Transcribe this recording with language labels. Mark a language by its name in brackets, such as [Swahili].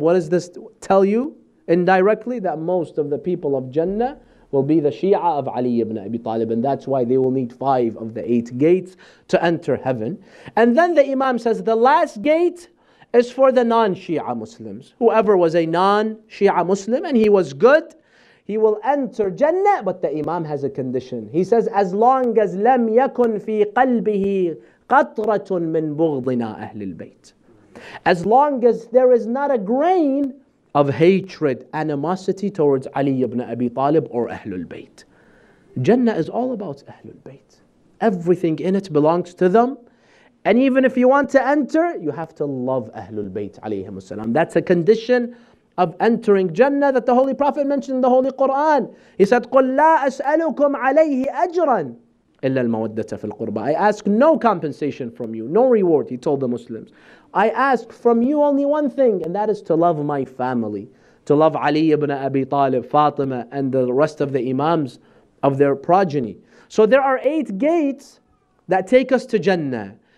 [English] What does this tell you indirectly? That most of the people of Jannah will be the Shia of Ali ibn Abi Talib, and that's why they will need five of the eight gates to enter heaven. And then the Imam says the last gate is for the non-Shia Muslims. Whoever was a non-Shia Muslim and he was good, he will enter Jannah, but the Imam has a condition. He says, as long as [Arabic] لم يكن في قلبه قطرة من بغضنا أهل البيت. [English] As long as there is not a grain of hatred, animosity towards Ali ibn Abi Talib or Ahlul Bayt. Jannah is all about Ahlul Bayt. Everything in it belongs to them. And even if you want to enter, you have to love Ahlul Bayt alayhim as-salam. That's a condition of entering Jannah that the Holy Prophet mentioned in the Holy Quran. He said, [Arabic] قُلْ لَا أَسْأَلُكُمْ عَلَيْهِ أَجْرًا إِلَّا الْمَوَدَّةَ فِي الْقُرْبَى. [English] I ask no compensation from you, no reward, he told the Muslims. I ask from you only one thing, and that is to love my family, to love Ali ibn Abi Talib, Fatima, and the rest of the Imams of their progeny. So there are eight gates that take us to Jannah.